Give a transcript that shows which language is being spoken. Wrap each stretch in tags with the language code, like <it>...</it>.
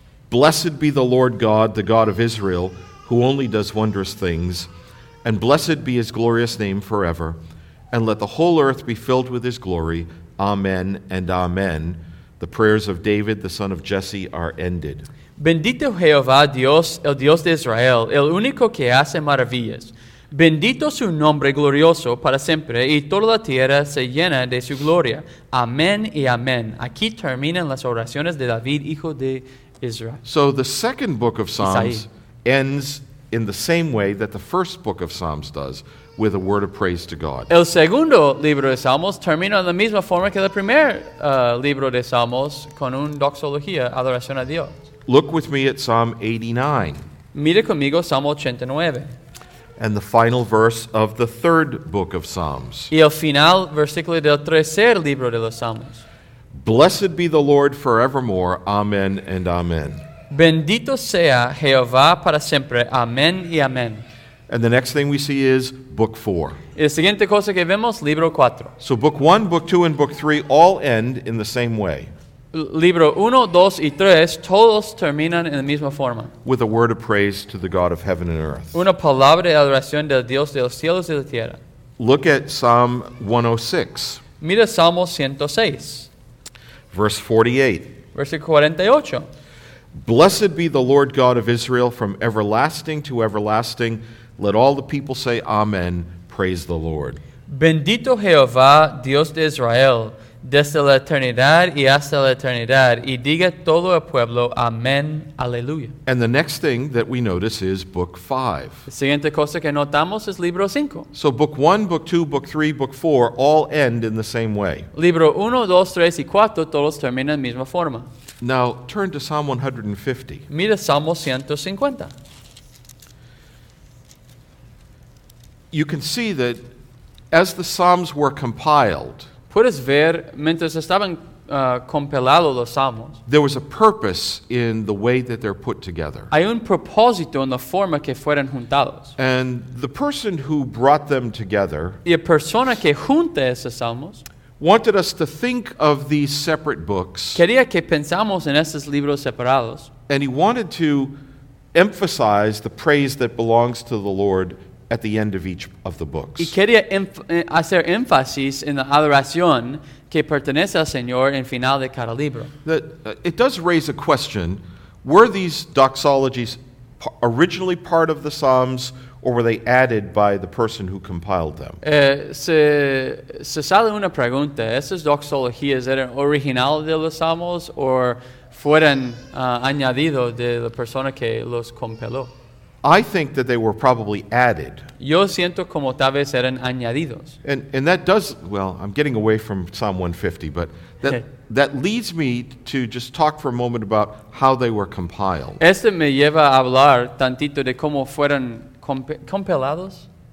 <en>"Blessed be the Lord God, the God of Israel, who only does wondrous things, and blessed be his glorious name forever, and let the whole earth be filled with his glory. Amen and amen. The prayers of David, the son of Jesse, are ended."</en> <es>Bendito Jehová Dios, el Dios de Israel, el único que hace maravillas. Bendito su nombre glorioso para siempre, y toda la tierra se llena de su gloria. Amén y amén. Aquí terminan las oraciones de David, hijo de Israel.</es> <en>So the second book of Psalms ends in the same way that the first book of Psalms does, with a word of praise to God.</en> <es>El segundo libro de Salmos termina de la misma forma que el primer libro de Salmos, con una doxología, adoración a Dios.</es> <en>Look with me at Psalm 89.</en> <es>Mira conmigo Salmo 89.</es> <en>And the final verse of the third book of Psalms.</en> <es>Y el final versículo del tercer libro de los Salmos.</es> <en>"Blessed be the Lord forevermore. Amen and amen."</en> <es>Bendito sea Jehová para siempre. Amen y amen.</es> <en>And the next thing we see is book 4.</en> <es>Y la siguiente cosa que vemos, libro 4.</es> <en>So book 1, book 2, and book 3 all end in the same way.</en> <es>Libro 1, 2 y 3, todos terminan en la misma forma.</es> <en>With a word of praise to the God of heaven and earth.</en> <es>Una palabra de adoración del Dios de los cielos y la tierra.</es> <en>Look at Psalm 106.</en> <es>Mira Salmo 106.</es> <en>Verse 48.</en> <es>Versículo 48.</es> <en>"Blessed be the Lord God of Israel from everlasting to everlasting. Let all the people say amen. Praise the Lord."</en> <es>Bendito Jehová, Dios de Israel, desde la eternidad y hasta la eternidad, y diga todo el pueblo, amén, aleluya.</es> <en>And the next thing that we notice is book 5.</en> <es>La siguiente cosa que notamos es libro 5.</es> <en>So book 1, book 2, book 3, book 4 all end in the same way.</en> <es>Libro 1, 2, 3 y 4 todos terminan en la misma forma.</es> <en>Now turn to Psalm 150.</en> <es>Mira Salmo 150.</es> <en>You can see that as the Psalms were compiled,</en> <es>puedes ver, mientras estaban compilados los Salmos,</es> <en>there was a purpose in the way that they're put together.</en> <es>Hay un propósito en la forma que fueron juntados.</es> <en>And the person who brought them together,</en> <es>y la persona que junta esos Salmos,</es> <en>wanted us to think of these separate books.</en> <es>Quería que pensamos en esos libros separados.</es> <en>And he wanted to emphasize the praise that belongs to the Lord at the end of each of the books.</en> <es>Y quería hacer énfasis en la adoración que pertenece al Señor en final de cada libro.</es> <en>It does raise a question: were these doxologies originally part of the Psalms, or were they added by the person who compiled them?</en> <es>Se sale una pregunta: ¿esas doxologías eran originales de los Salmos, o fueron añadidos de la persona que los compiló?</es> <en>I think that they were probably added.</en> <es>Yo siento como tal vez eran añadidos.</es> <en>And that does, well, I'm getting away from Psalm 150, but that leads me to just talk for a moment about how they were compiled.</en> <es>Este me lleva a hablar tantito de cómo fueron compilados.</es>